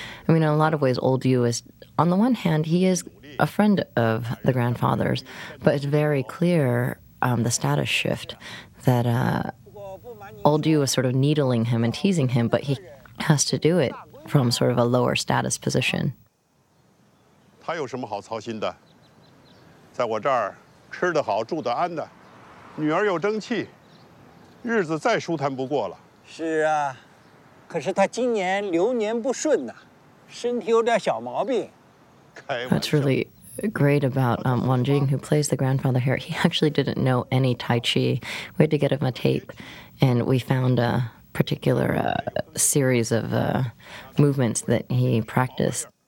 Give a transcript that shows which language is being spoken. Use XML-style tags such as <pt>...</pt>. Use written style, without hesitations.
<en>I mean, in a lot of ways, Old Yu is, on the one hand, he is a friend of the grandfather's, but it's very clear the status shift that Old Yu is sort of needling him and teasing him, but he has to do it from sort of a lower status position.</en> <zh>还有什么好操心的？在我这儿吃得好，住得安的，女儿有争气，日子再舒坦不过了。是啊，可是她今年流年不顺呐，身体有点小毛病。</zh> <en>That's really great about Wan Jing, who plays the grandfather here. He actually didn't know any Tai Chi. We had to get him a tape, and we found a particular series of movements that he practiced.</en>